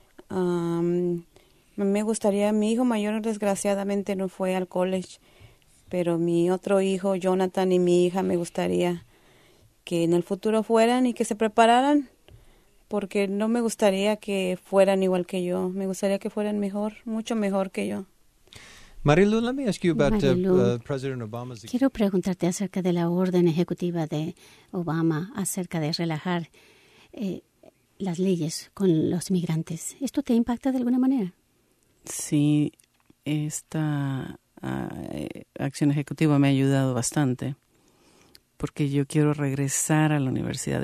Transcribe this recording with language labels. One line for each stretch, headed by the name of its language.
Spanish: Me gustaría, mi hijo mayor desgraciadamente no fue al college, pero mi otro hijo Jonathan y mi hija me gustaría que en el futuro fueran y que se prepararan, porque no me gustaría que fueran igual que yo, me gustaría que fueran mejor, mucho mejor que yo.
English: Marilu, let me ask you about President Obama's...
Spanish: Quiero preguntarte acerca de la orden ejecutiva de Obama acerca de relajar las leyes con los inmigrantes. ¿Esto te impacta de alguna manera? Sí, esta acción ejecutiva me ha ayudado bastante porque yo quiero regresar a la universidad.